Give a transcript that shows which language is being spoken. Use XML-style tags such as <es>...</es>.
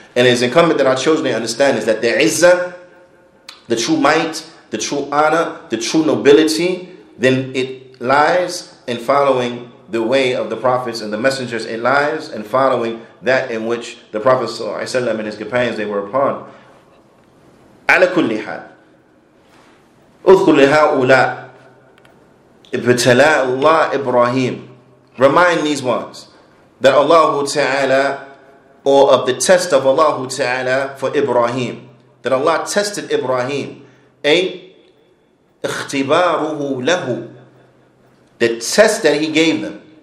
<en>And it is incumbent that our children understand is that the izzah, the true might, the true honor, the true nobility, then it lies in following the way of the prophets and the messengers. It lies in following that in which the prophets وسلم, and his companions, they were upon.</en> <ar>على كل حال اذكر لهؤلاء ابتلاء الله إبراهيم.</ar> <en>Remind these ones that Allah Ta'ala, or of the test of Allah Ta'ala for Ibrahim, that Allah tested Ibrahim. A</en> <ar>اختباره له,</ar> <en>the test that he gave them.</en>